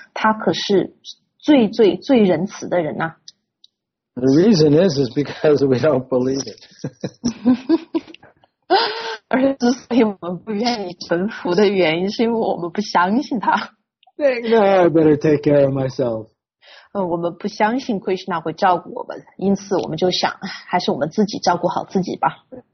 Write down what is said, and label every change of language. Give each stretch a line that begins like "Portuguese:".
Chinese: 他可是最最最仁慈的人啊。
English: The reason is because we don't believe it.
Chinese: 而之所以我们不愿意臣服的原因，是因为我们不相信他。
English: No, I better take care of myself.
Chinese: 我们不相信 Krishna 会照顾我们，因此我们就想，还是我们自己照顾好自己吧。